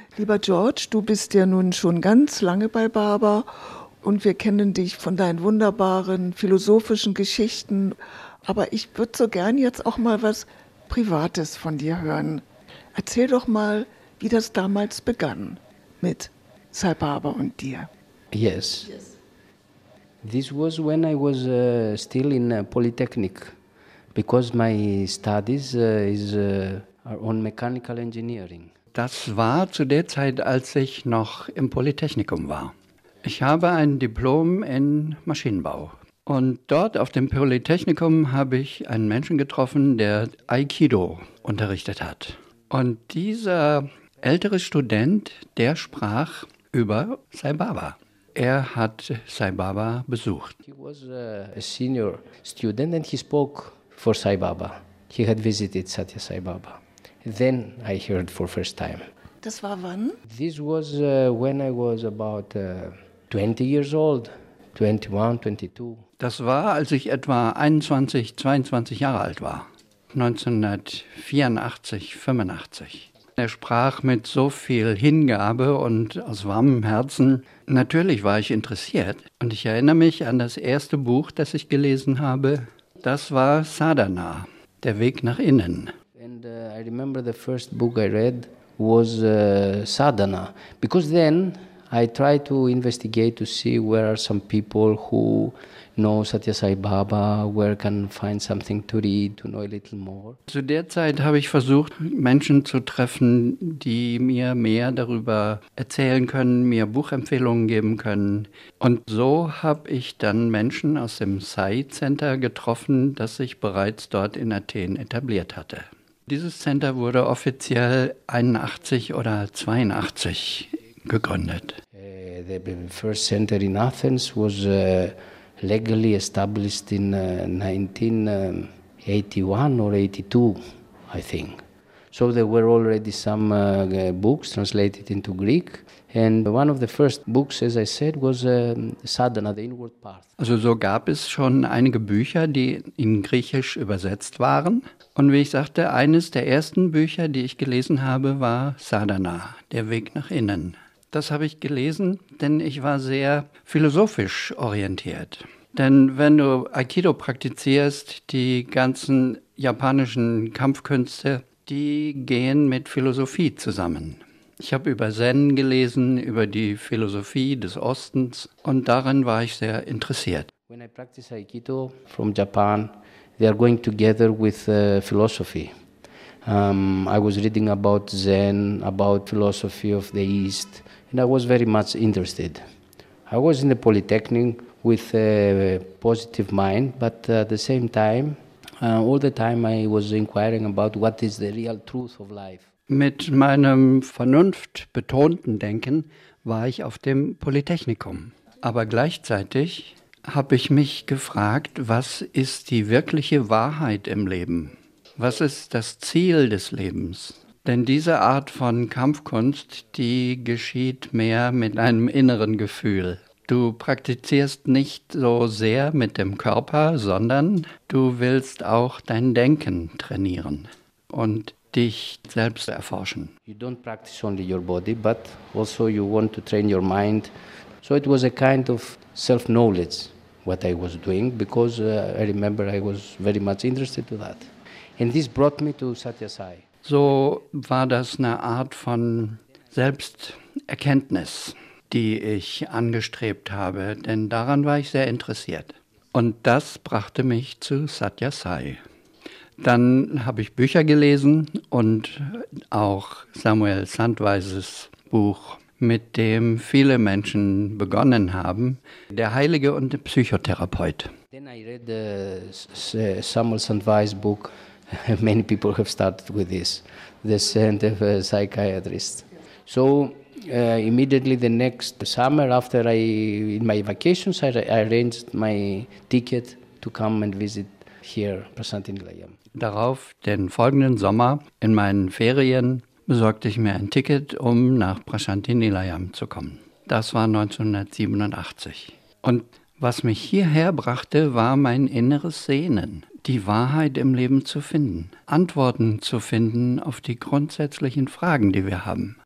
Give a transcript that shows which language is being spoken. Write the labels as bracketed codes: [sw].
[de] Lieber George, du bist ja nun schon ganz lange bei Barber und wir kennen dich von deinen wunderbaren philosophischen Geschichten. Aber ich würde so gern jetzt auch mal was Privates von dir hören. Erzähl doch mal, wie das damals begann mit Sai Baba und dir. [en] Yes. This was when I was still in Polytechnic, because my studies are on mechanical engineering. [de] Das war zu der Zeit, als ich noch im Polytechnikum war. Ich habe ein Diplom in Maschinenbau. Und dort auf dem Polytechnikum habe ich einen Menschen getroffen, der Aikido unterrichtet hat. Und dieser ältere Student, der sprach über Sai Baba. Er hat Sai Baba besucht. [en] He was a senior student and he spoke for Sai Baba. He had visited Satya Sai Baba. Then I heard for first time. [de] Das war wann? [en] This was when I was about 20 years old, 21, 22. [de] Das war, als ich etwa 21, 22 Jahre alt war. 1984, 85. Er sprach mit so viel Hingabe und aus warmem Herzen. Natürlich war ich interessiert. Und ich erinnere mich an das erste Buch, das ich gelesen habe. Das war Sadhana, der Weg nach innen. [en] And I remember the first book I read was Sadhana. Because then I tried to investigate to see where are some people who know Satya Sai Baba, where can find something to read, to know a little more. [de] Zu der Zeit habe ich versucht, Menschen zu treffen, die mir mehr darüber erzählen können, mir Buchempfehlungen geben können. Und so habe ich dann Menschen aus dem Sai Center getroffen, das sich bereits dort in Athen etabliert hatte. Dieses Center wurde offiziell 81 oder 82 gegründet. [en] The first center in Athens was legally established in 1981 or 82, I think. So there were already some books translated into Greek. And one of the first books, as I said, was Sadhana, the Inward Path. [de] Also so gab es schon einige Bücher, die in Griechisch übersetzt waren. Und wie ich sagte, eines der ersten Bücher, die ich gelesen habe, war Sadhana, der Weg nach innen. Das habe ich gelesen, denn ich war sehr philosophisch orientiert. Denn wenn du Aikido praktizierst, die ganzen japanischen Kampfkünste, die gehen mit Philosophie zusammen. Ich habe über Zen gelesen, über die Philosophie des Ostens und darin war ich sehr interessiert. [en] When I practice Aikido from Japan, they are going together with philosophy. I was reading about Zen, about philosophy of the East. And I was very much interested. I was in the Polytechnic with a positive mind, but at the same time, all the time I was inquiring about what is the real truth of life. [de] Mit meinem vernunftbetonten Denken war ich auf dem Polytechnikum. Aber gleichzeitig habe ich mich gefragt, was ist die wirkliche Wahrheit im Leben? Was ist das Ziel des Lebens? Denn diese Art von Kampfkunst, die geschieht mehr mit einem inneren Gefühl. Du praktizierst nicht so sehr mit dem Körper, sondern du willst auch dein Denken trainieren und dich selbst erforschen. [en] You don't practice only your body, but also you want to train your mind. So it was a kind of self-knowledge, what I was doing, because I remember I was very much interested to that. And this brought me to Satya Sai. [de] So war das eine Art von Selbsterkenntnis, die ich angestrebt habe, denn daran war ich sehr interessiert. Und das brachte mich zu Satya Sai. Dann habe ich Bücher gelesen und auch Samuel Sandweises Buch, mit dem viele Menschen begonnen haben, Der Heilige und der Psychotherapeut. [en] Then I read the Samuel Sandweiss book. Many people have started with this, The Scent of a Psychiatrist. So immediately the next summer after I arranged my ticket to come and visit here, Prasantinilayam. [de] Darauf, den folgenden Sommer, in meinen Ferien, besorgte ich mir ein Ticket, um nach Prasantinilayam zu kommen. Das war 1987. Und was mich hierher brachte, war mein inneres Sehnen, die Wahrheit im Leben zu finden, Antworten zu finden auf die grundsätzlichen Fragen, die wir haben.